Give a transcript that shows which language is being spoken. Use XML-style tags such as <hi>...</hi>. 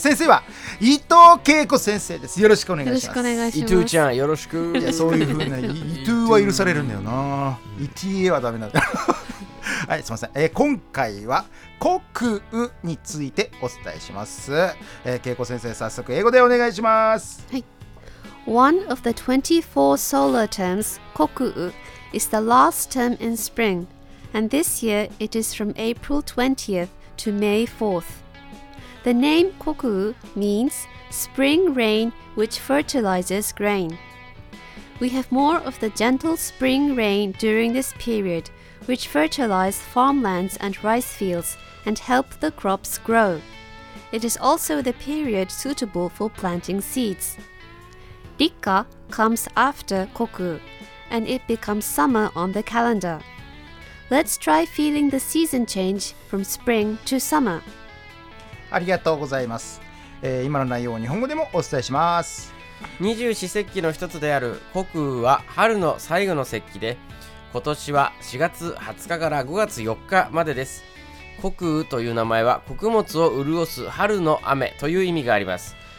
<ja>先生は伊藤恵子先生です。よろしくお願いします。よろしくお願いします。伊藤ちゃん、よろしく。いや、そういう風な伊藤は許されるんだよな。痛ーはダメなんだ。はい、すいません。今回は国語についてお伝えします。恵子先生、早速英語でお願いします。はい。</ja> <en>One of the 24 solar terms, Kokuu, is the last term in spring, and this year it is from April 20th to May 4th. The name Kokuu means spring rain which fertilizes grain. We have more of the gentle spring rain during this period, which fertilize farmlands and rice fields and help the crops grow. It is also the period suitable for planting seeds. Rikka comes after Kokuu, and it becomes summer on the calendar. Let's try feeling the season change from spring to summer.</en> <ja>ありがとうございます。今の内容を日本語でもお伝えします。二十四節気の一つである Kokuu は春の最後の節気で、今年は4月20日から5月4日までです。 Kokuu という名前は、穀物を潤す春の雨という意味があります。</ja>